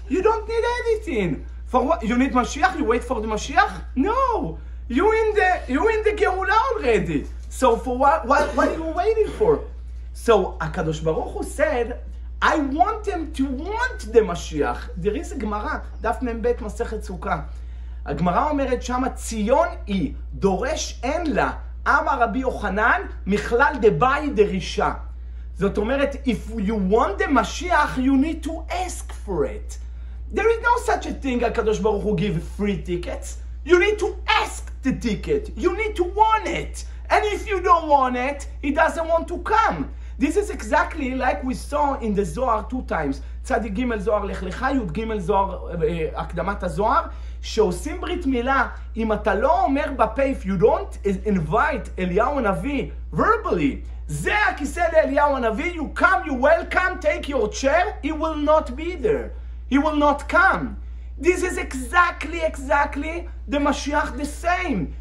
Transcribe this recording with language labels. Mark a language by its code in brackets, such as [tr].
[en] You don't need anything. For what? You need Mashiach? You wait for the Mashiach? No. You in the Geula already. So for what are you waiting for? So HaKadosh Baruch Hu said, I want them to want the Mashiach. There is a Gemara, Daf Mem Bet Masechet Sukkah. [he] הגמרא אומרת שמה ציון היא, דורש אין לה, אמר רבי יוחנן, מכלל דבאי דרישה. זאת אומרת, [en] if you want the Mashiach, you need to ask for it. There is no such a thing, הקדוש ברוך הוא give free tickets. You need to ask the ticket. You need to want it. And if you don't want it, he doesn't want to come. This is exactly like we saw in the Zohar two times. [he] צדי גימל זוהר לך לך, יוד גימל זוהר, הקדמת הזוהר. שעושים ברית מילה, אם אתה לא אומר בפה, [en] if you don't invite אליהו הנביא verbally, [he] זה הכיסא לאליהו הנביא, [en] you come, you welcome, take your chair, he will not be there. He will not come. This is exactly the Mashiach the same.